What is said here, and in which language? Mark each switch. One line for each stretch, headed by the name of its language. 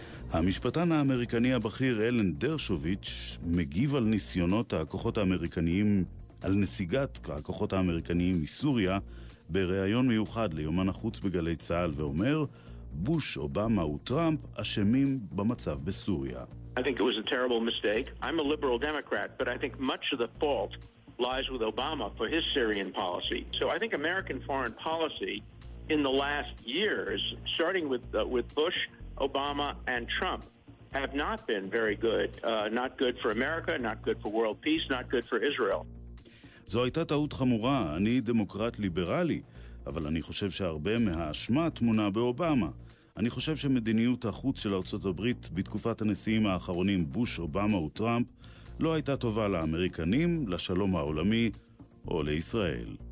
Hebrew: המשפטן האמריקני הבכיר אלן דרשוביץ' מגיב על ניסיונות הכוחות האמריקניים, על נסיגת הכוחות האמריקניים מסוריה, בריאיון מיוחד ליומן החוץ בגלי צהל, ואומר, בוש, אובמה וטראמפ אשמים במצב בסוריה.
English: I think it was a terrible mistake. I'm a liberal Democrat, but I think much of the fault lies with Obama for his Syrian policy. So I think American foreign policy in the last years, starting with Bush, Obama, and Trump, have not been very good. Not good for America, not good for world peace, not good for Israel.
Hebrew: זו הייתה טעות חמורה. אני דמוקרט ליברלי, אבל אני חושב שהרבה מהאשמה תמונה באובמה. אני חושב שמדיניות החוץ של ארצות הברית בתקופת הנשיאים האחרונים בוש, אובמה וטראמפ לא הייתה טובה לאמריקנים, לשלום העולמי או לישראל.